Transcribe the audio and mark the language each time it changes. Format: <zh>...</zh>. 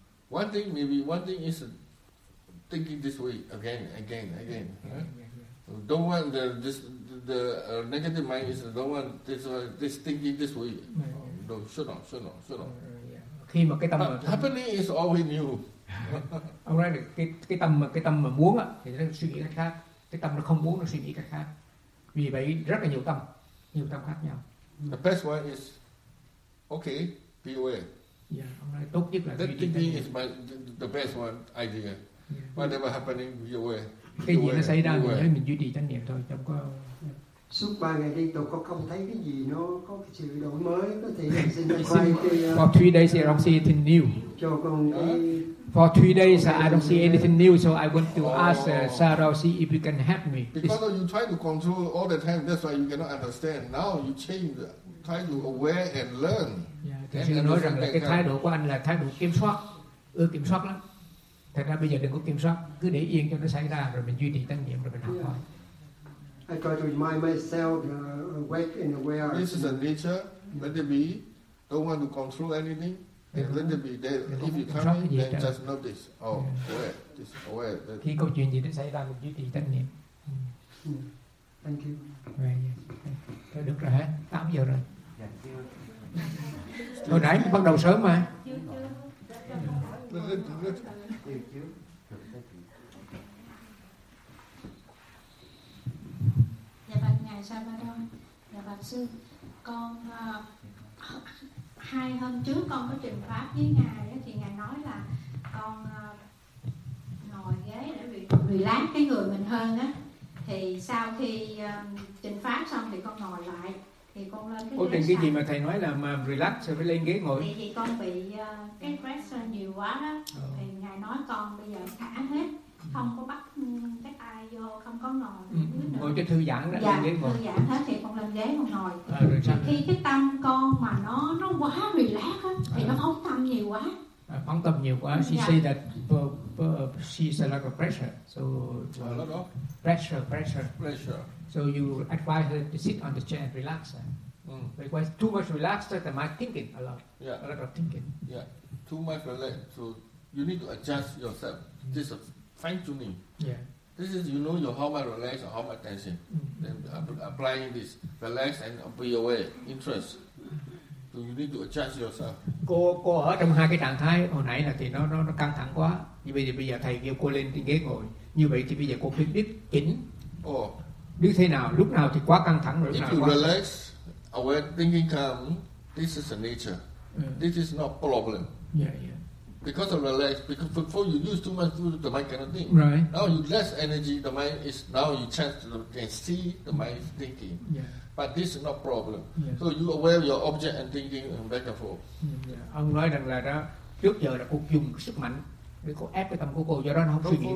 <en>One thing, maybe one thing is thinking this way again. Yeah. Huh? Don't want the negative mind is don't want this thinking this way. Yeah. Oh, no, should not.</en> <vi>Yeah. Khi mà cái tâm</vi> <en>happening is always new. All right,</en> <vi>cái tâm mà muốn á thì nó suy nghĩ cách khác. Cái tâm nó không muốn nó suy nghĩ cách khác. Vì vậy rất là nhiều tâm khác nhau.</vi> <en>The best one is okay, be aware.</en> <vi>Yeah, tốt nhất là</vi> <en>that thinking is my the best one idea. Yeah. Whatever happening, you aware.</en> <vi>Cái gì nó xảy ra thì thấy mình duy trì chánh niệm thôi, không có. Suốt 3 ngày đi tôi có không thấy cái gì nó có cái sự đổi mới, có thể mình xin quay.</vi> <en>For 3 days I don't see anything new.</en> <vi>Cho con đi.</vi> <en>For 3 days I don't see anything new, so I want to ask Sarah see if you can help me. Because you try to control all the time, that's why you cannot understand. Now you change. Try to aware and learn.</en> <vi>Thầy sư nói rằng là cái thái độ của anh là thái độ kiểm soát, ưa kiểm soát lắm. Thật ra bây giờ đừng có kiểm soát, cứ để yên cho nó xảy ra rồi mình duy trì tâm niệm rồi mình học thôi.</vi> <en>I try to remind myself awake and aware. This is the nature. Let it be. Don't want to control anything. Let it be. Then if you come in, then just notice. Oh, aware. This aware.</en> <vi>Khi câu chuyện gì nó xảy ra mình duy trì tâm niệm.</vi> <en>Thank you.</en> <vi>Thôi được rồi hả? 8 giờ rồi. Hồi nãy bắt đầu sớm mà. Dạ bạch ngài Sa Ba Đông, dạ bạch sư, con hai hôm trước con có trình pháp với ngài thì ngài nói là con ngồi ghế để bị lát cái người mình hơn á, thì sau khi trình pháp xong thì con ngồi lại. Thì con lên cái gì mà thầy nói là mà relax sẽ phải lên ghế ngồi. Thì con bị cái stress nhiều quá đó. Thì ngài nói con bây giờ thả hết, không có bắt cái ai vô, không có ngồi nữa. Ngồi cho thư giãn ra, dạ, lên ghế ngồi. Thư giãn hết thì con lên ghế con ngồi. Rồi sao? Khi cái tâm con mà nó quá relax á thì nó phóng tâm nhiều quá. Phóng tâm nhiều quá.</vi> <en>She say that she is a lot of pressure. So pressure. So you advise her to sit on the chair and relax. Because too much relaxed, the mind thinking a lot. Yeah. A lot of thinking. Yeah. Too much relaxed. So you need to adjust yourself. This is fine tuning. Yeah. This is, you know, your how much relax or how much tension. Then applying this. Relax and be aware. Interest. So you need to adjust yourself.</en> <vi>Cô ở trong hai cái trạng thái hồi nãy là thì nó căng thẳng quá. Nhưng bây giờ thầy kêu cô lên trên ghế ngồi. Như vậy thì bây giờ cô phải biết chỉnh.</vi> <en>Oh.</en> <vi>Như thế nào, lúc nào thì quá căng thẳng rồi.</vi> <en>If you relax, aware thinking comes, this is the nature. This is not problem. Yeah. Because of relax, because before you use too much food, the mind cannot think. Right. Now you less energy, the mind is, now you chance to can see the mind is thinking. Yeah. But this is not problem. Yeah. So you aware of your object and thinking and back and forth. Yeah.</en> <vi>Ông nói rằng là đó, trước giờ là cô dùng sức mạnh để cô ép cái tâm của cô, do đó nó không suy nghĩ được.</vi>